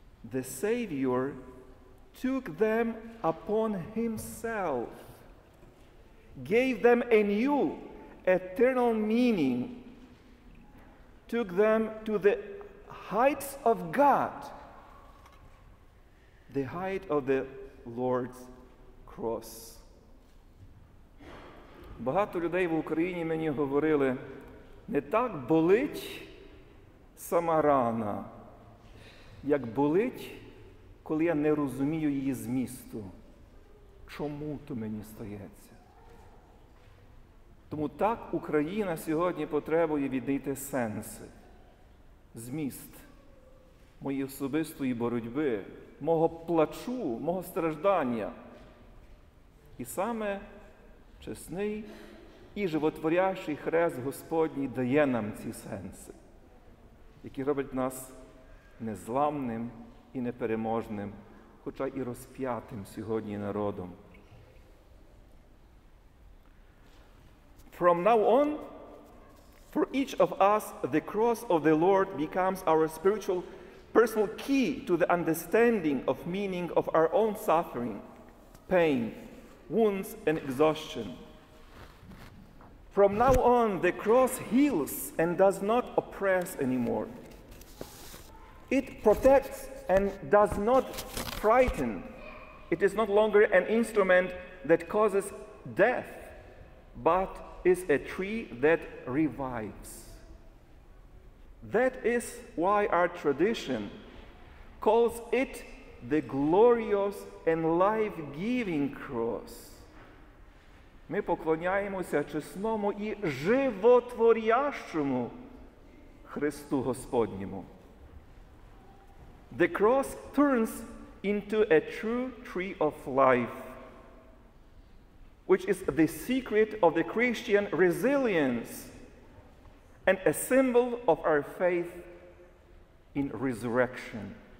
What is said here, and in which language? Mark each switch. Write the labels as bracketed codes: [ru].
[en] The Savior took them upon himself, gave them a new eternal meaning, took them to the heights of God, the height of the Lord's cross. [uk] Багато людей в Україні мені говорили, не так болить сама рана, як болить, коли я не розумію її змісту. Чому то мені стається? Тому так Україна сьогодні потребує віднайти сенси, зміст моєї особистої боротьби, мого плачу, мого страждання. І саме чесний і животворящий Хрест Господній дає нам ці сенси, які роблять нас незламним і непереможним, хоча і розп'ятим сьогодні народом. [en] From now on, for each of us, the cross of the Lord becomes our spiritual personal key to the understanding of meaning of our own suffering, pain, wounds, and exhaustion. From now on, the cross heals and does not oppress anymore. It protects and does not frighten. It is not longer an instrument that causes death, but is a tree that revives. That is why our tradition calls it the glorious and life-giving cross. [uk] Ми поклоняємося чесному і животворящому Христу Господньому. [en] The cross turns into a true tree of life, which is the secret of the Christian resilience and a symbol of our faith in resurrection.